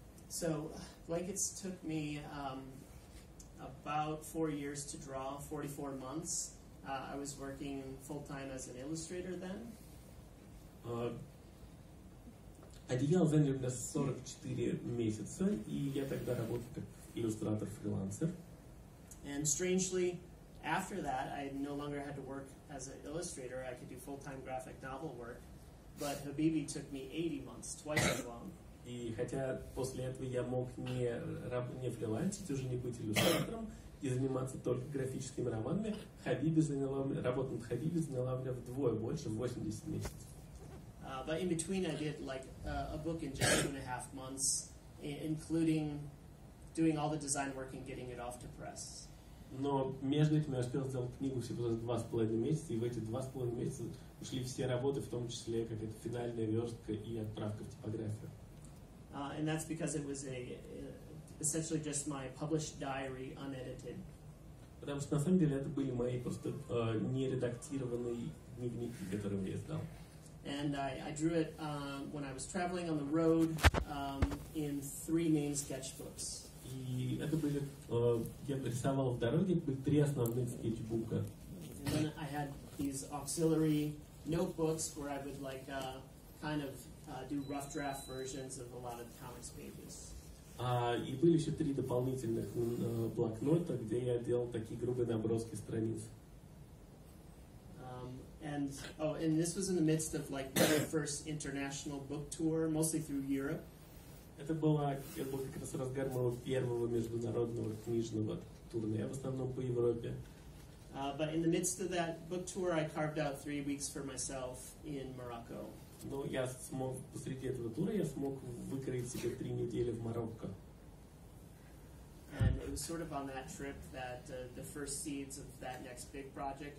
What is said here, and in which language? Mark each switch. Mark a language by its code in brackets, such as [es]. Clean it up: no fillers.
[en] So, blankets took me about 4 years to draw, 44 months. I was working full-time as an illustrator then. [ru] Одеяло заняли меня 44 месяца, и я тогда работал как иллюстратор-фрилансер. [en] And strangely, after that, I no longer had to work as an illustrator. I could do full-time graphic novel work. But Хабиби took me 80 months, twice as long. [ru] И хотя после этого я мог не фрилансить, уже не быть иллюстратором, и заниматься только графическими романами, работа над Хабиби заняла меня вдвое больше, 80 месяцев. [en] But in between I did like a book in just 2.5 months, including doing all the design work and getting it off to press. [ru] Но между этим я успел сделать книгу всего за 2.5 месяца, и в эти 2.5 месяца ушли все работы, в том числе какая-то финальная верстка и отправка в типографию. [en] And that's because it was essentially just my published diary, unedited. [ru] Потому что на самом деле это были мои просто нередактированные дневники, которые я издал. [en] And I drew it when I was traveling on the road in 3 main sketchbooks. [ru] И это были я рисовал в дороге три основных скетчбука. [en] And then I had these auxiliary notebooks where I would like kind of do rough draft versions of a lot of comics pages. [ru] И были еще три дополнительных блокнота, где я делал такие грубые наброски страниц. [en] And oh, and this was in the midst of like my first international book tour, mostly through Europe. [ru] Это был как раз разгар моего первого международного книжного турне, в основном по Европе. [en] But in the midst of that book tour, I carved out 3 weeks for myself in Morocco. [ru] Но я смог, посреди этого тура я смог выкроить себе 3 недели в Марокко. [en] And it was sort of on that trip that the first seeds of that next big project.